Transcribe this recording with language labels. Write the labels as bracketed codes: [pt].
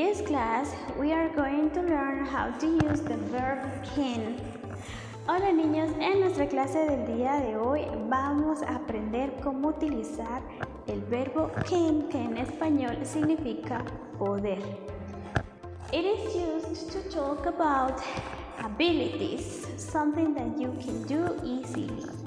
[en] class, we are going to learn how to use the verb can. [es] Hola niños, en nuestra clase del día de hoy vamos a aprender cómo utilizar el verbo can, que en español significa poder. [en] It is used to talk about abilities, something that you can do easily.